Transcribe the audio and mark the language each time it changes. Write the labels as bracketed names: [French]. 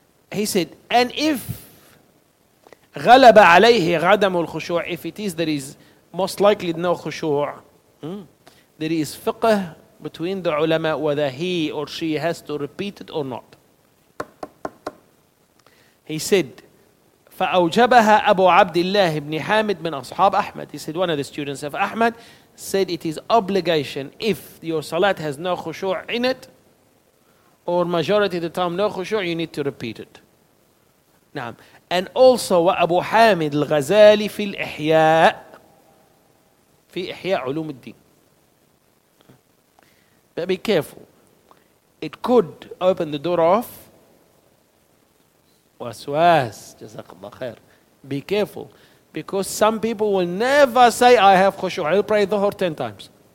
[English] He said, and if [Arabic] غلب عليه غدم الخشوع, [English] if it is, there is most likely no khushu', there is fiqh between the ulama whether he or she has to repeat it or not. He said, [Arabic] فأوجبها أبو عبد الله بن حامد من أصحاب أحمد. [English] He said, one of the students of Ahmad said, it is obligation if your salat has no خشوع in it, or majority of the time no خشوع, you need to repeat it. [Arabic] نعم. [English] And also [Arabic] وأبو حامد الغزالي في الإحياء, في إحياء علوم الدين. [English] But be careful. It could open the door off. Waswas, jazakallah khair. Be careful. Because some people will never say, I have khushu'. I'll pray dhuhr 10 times.